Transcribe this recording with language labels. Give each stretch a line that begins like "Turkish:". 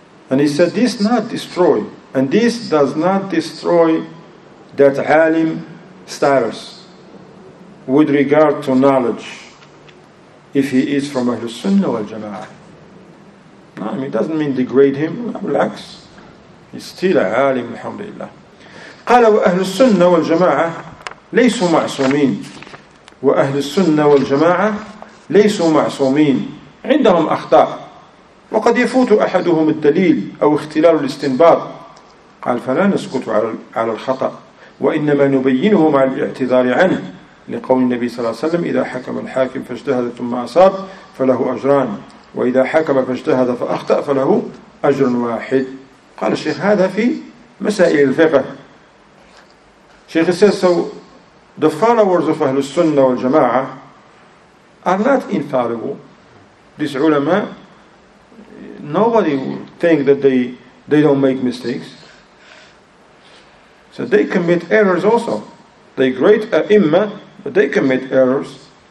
English: And he said this not destroy, and this does not destroy that alim status with regard to knowledge, if he is from Ahlul Sunnah wal Jama'ah. No, I mean, it doesn't mean degrade him, relax. He's still a alim, alhamdulillah.
Arabic: قال وأهل السنة والجماعة ليسوا معصومين وأهل السنة والجماعة ليسوا معصومين عندهم أخطاء وقد يفوت أحدهم الدليل أو اختلال الاستنباط. قال فلا نسكت على الخطأ وإنما نبينه مع الاعتذار عنه لقول النبي صلى الله عليه وسلم إذا حكم الحاكم فاجتهد ثم أصاب فله أجران وإذا حكم فاجتهد فأخطأ فله أجر واحد. قال الشيخ هذا في مسائل الفقه.
English: Sheikh says, so the followers of Ahlul Sunnah wal Jama'ah are not infallible. This ulama, nobody will think that they don't make mistakes. So they commit errors also. They great a'imma, but they commit errors.